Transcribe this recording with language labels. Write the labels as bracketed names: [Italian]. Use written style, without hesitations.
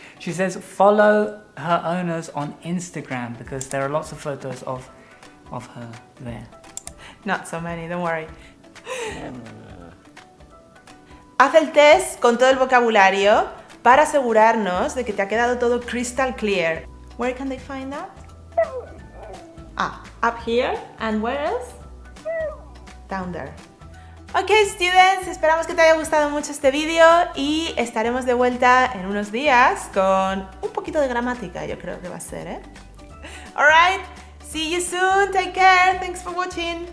[English] She says follow her owners on Instagram because there are lots of photos of her there. Not so many, don't worry. [Spanish] Haz el test con todo el vocabulario para asegurarnos de que te ha quedado todo [English] crystal clear. Where can they find that? Ah, up here. And where else? Down there. Ok, students, [Spanish] esperamos que te haya gustado mucho este vídeo y estaremos de vuelta en unos días con un poquito de gramática, yo creo que va a ser, ¿eh? [English] All right, see you soon, take care, thanks for watching.